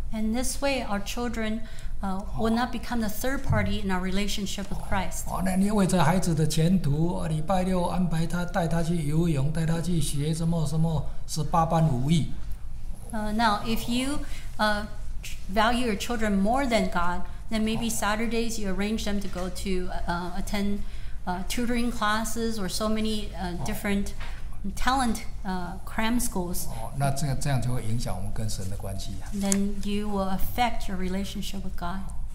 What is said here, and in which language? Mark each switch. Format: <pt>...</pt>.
<en>And this way, our children will not become the third party in our relationship with Christ.</en> <zh>那你为这孩子的前途，礼拜六安排他带他去游泳，带他去学什么什么十八般武艺。</zh> <en>Now, if you value your children more than God, then maybe Saturdays you arrange them to go to attend tutoring classes or so many different talent cram schools.</en> <zh>那这样就会影响我们跟神的关系。</zh> <en>Then you will affect your relationship with God.</en>